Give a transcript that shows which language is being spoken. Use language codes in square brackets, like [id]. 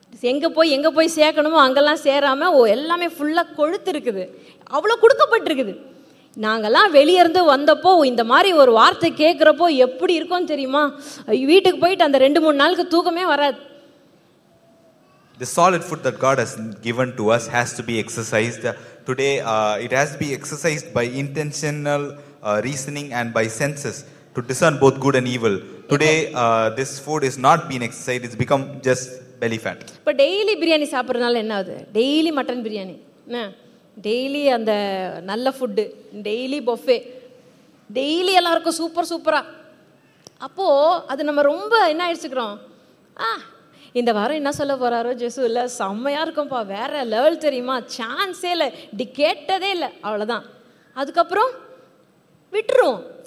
[ta] எங்க போய் சேர்க்கணுமோ அங்கெல்லாம் சேராம எல்லாமே ஃபுல்லா கொழுத்து இருக்குது. அவ்வளோ கொடுக்கப்பட்டிருக்குது. நாங்கெல்லாம் வெளியிருந்து வந்தப்போ இந்த மாதிரி ஒரு வார்த்தை கேட்குறப்போ எப்படி இருக்கும்னு தெரியுமா? வீட்டுக்கு போயிட்டு அந்த ரெண்டு மூணு நாளுக்கு தூக்கமே வராது. [en] The solid food that God has given to us has to be exercised today. It has to be exercised by intentional reasoning and by senses to discern both good and evil. Today this food is not being exercised, it's become just belly fat. But daily biryani [ta] சாப்பிறதுனால என்ன ஆகுது? Daily mutton biryani daily அந்த நல்ல food daily buffet daily எல்லாருக்கும் சூப்பரா அப்போ அது நம்ம ரொம்ப என்ன ஆயிடுச்சுக்கிறோம். இந்த வாரம் என்ன சொல்ல போறாரோ ஜெசு இல்லை செம்மையாக இருக்கும்ப்பா வேற லெவல் தெரியுமா சான்ஸே இல்லை இப்படி கேட்டதே இல்லை அவ்வளோதான் அதுக்கப்புறம் விட்டுருவோம்.